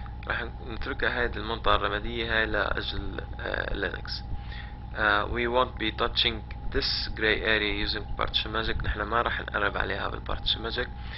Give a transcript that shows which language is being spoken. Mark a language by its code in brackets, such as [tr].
[ar] راح نتركها هاي المنطقة الرمادية هاي لأجل Linux. [en] We won't be touching this gray area using Partition Magic. [ar] نحنا ما راح نقرب عليها بالPartition Magic.